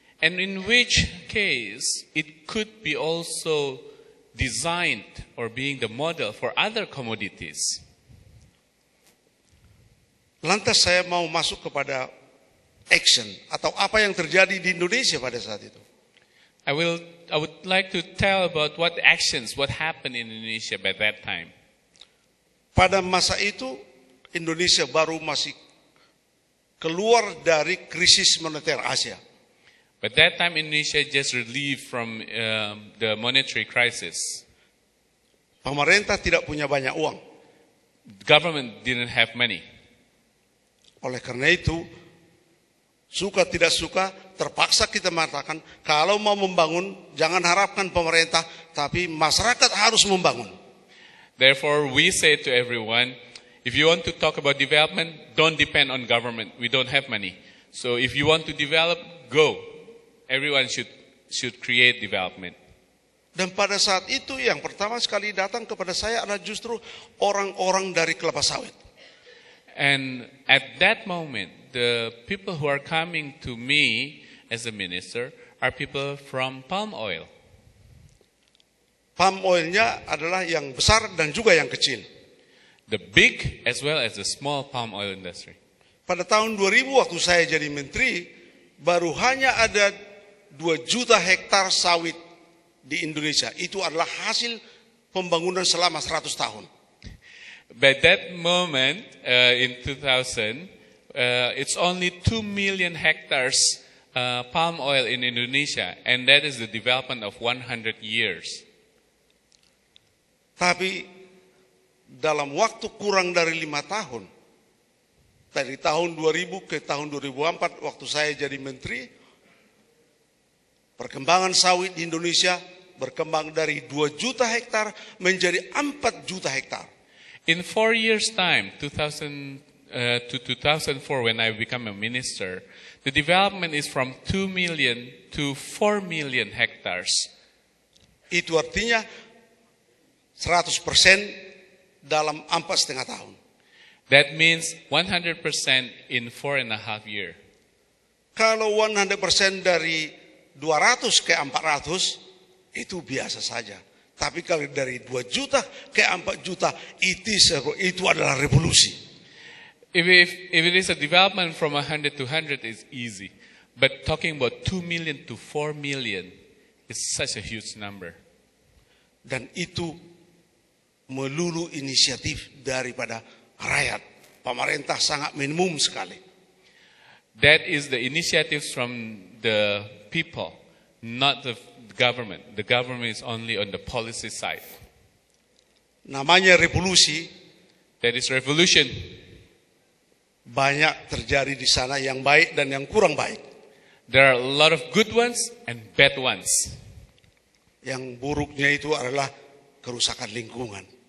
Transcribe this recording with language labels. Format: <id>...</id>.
<en>And in which case it could be also designed or being the model for other commodities.</en> <id>Lantas saya mau masuk kepada action atau apa yang terjadi di Indonesia pada saat itu.</id> <en>I would like to tell about what happened in Indonesia by that time.</en> <id>Pada masa itu Indonesia baru masih keluar dari krisis moneter Asia.</id> <en>But that time Indonesia just relieved from the monetary crisis.</en> <id>Pemerintah tidak punya banyak uang.</id> <en>Government didn't have money.</en> <id>Oleh karena itu, suka tidak suka, terpaksa kita mengatakan, kalau mau membangun, jangan harapkan pemerintah, tapi masyarakat harus membangun.</id> <en>Therefore, we say to everyone, if you want to talk about development, don't depend on government. We don't have money. So if you want to develop, go. everyone should create development.</en> <id>Dan pada saat itu yang pertama sekali datang kepada saya adalah justru orang-orang dari kelapa sawit.</id> <en>And at that moment, the people who are coming to me as a minister are people from palm oil.</en> <id>Palm oilnya adalah yang besar dan juga yang kecil.</id> <en>The big as well as the small palm oil industry.</en> <id>Pada tahun 2000 waktu saya jadi menteri, baru hanya ada 2 juta hektar sawit di Indonesia. Itu adalah hasil pembangunan selama 100 tahun.</id> <en>By that moment, in 2000, it's only 2 million hectares palm oil in Indonesia, and that is the development of 100 years.</en> <id>Tapi dalam waktu kurang dari 5 tahun, dari tahun 2000 ke tahun 2004 waktu saya jadi menteri, perkembangan sawit di Indonesia berkembang dari 2 juta hektar menjadi 4 juta hektar.</id> <en>In 4 years time, 2000 to 2004, when I become a minister, the development is from 2 million to 4 million hectares.</en> <id>Itu artinya 100% dalam 4,5 tahun.</id> <en>That means 100% in 4.5 year.</en> <id>Kalau 100% dari 200 ke 400 itu biasa saja. Tapi kalau dari 2 juta ke 4 juta itu adalah revolusi.</id> <en>If it is a development from 100 to 100 is easy, but talking about 2 million to 4 million is such a huge number.</en> <id>Dan itu melulu inisiatif daripada rakyat. Pemerintah sangat minimum sekali.</id> <en>That is the initiatives from the people, not the government. The government is only on the policy side.</en> <id>Namanya revolusi.</id> <en>That is revolution.</en> <id>Banyak terjadi di sana yang baik dan yang kurang baik.</id> <en>There are a lot of good ones and bad ones.</en> <id>Yang buruknya itu adalah kerusakan lingkungan.</id>